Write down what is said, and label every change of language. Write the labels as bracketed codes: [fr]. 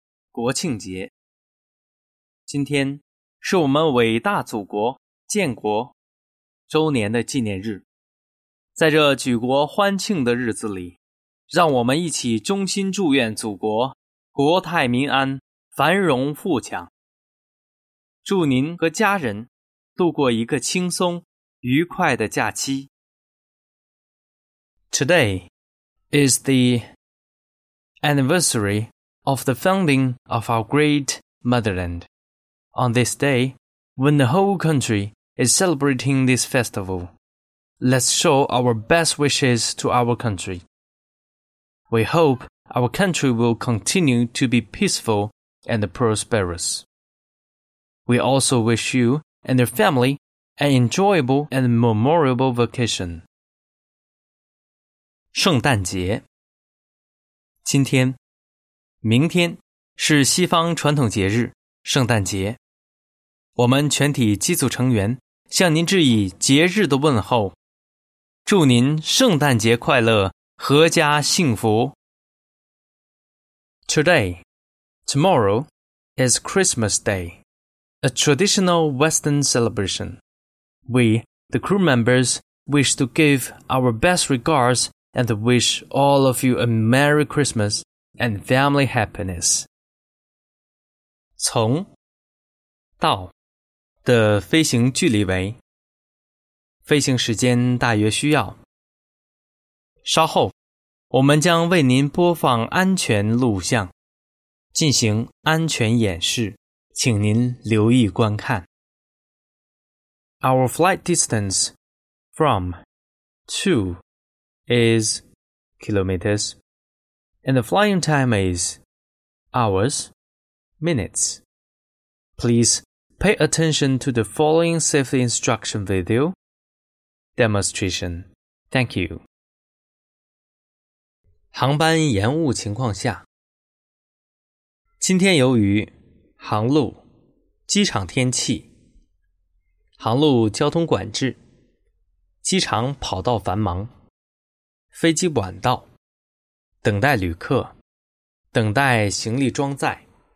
[zh] 国庆节，今天是我们伟大祖国建国周年的纪念日。在这举国欢庆的日子里，让我们一起衷心祝愿祖国国泰民安、繁荣富强，祝您和家人度过一个轻松愉快的假期。 [en] Today is the anniversary of the founding of our great motherland. On this day, when the whole country is celebrating this festival, let's show our best wishes to our country. We hope our country will continue to be peaceful and prosperous. We also wish you and your family an enjoyable and memorable vacation. [zh] 圣诞节，今天、明天是西方传统节日圣诞节，我们全体机组成员向您致以节日的问候，祝您圣诞节快乐，阖家幸福。 [en] Today, tomorrow is Christmas Day, a traditional Western celebration. We, the crew members, wish to give our best regards and wish all of you a Merry Christmas and family happiness. [zh] 从到的飞行距离为，飞行时间大约需要。稍后我们将为您播放安全录像，进行安全演示，请您留意观看。 [en] Our flight distance from to is kilometers, and the flying time is hours, minutes. Please pay attention to the following safety instruction video demonstration. Thank you. [zh] 航班延误情况下，今天由于航路、机场天气、航路交通管制、机场跑道繁忙、飞机晚到、等待旅客、等待行李装载、